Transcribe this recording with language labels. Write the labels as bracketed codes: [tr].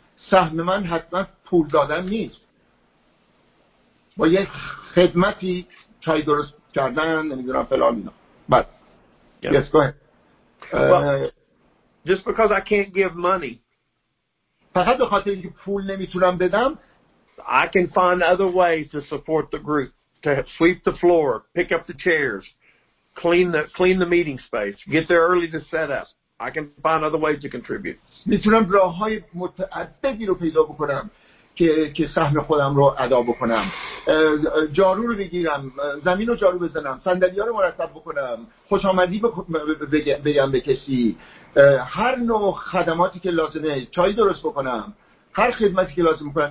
[fa] سهم من حتما پول دادن نیست. با یه خدمتی چای درست کردن، نمیدونم فلان اینا. [en] بله. Yes, go ahead. Just because I can't give money, [fa] فقط به خاطر اینکه پول نمیتونم بدم, [en] I can find other ways to support the group, to sweep the floor, pick up the chairs, clean the meeting space, get there early to set up. I can find other ways to contribute. [fa] میتونم راه‌های متعددی رو پیدا بکنم که سهم خودم رو ادا بکنم. جارو رو بگیرم, زمین رو جارو بزنم, صندلی‌ها رو مرتب بکنم, خوش آمدی بگم به کسی, هر نوع خدماتی که لازمه, چای درست بکنم, هر خدمتی که لازم بکنم.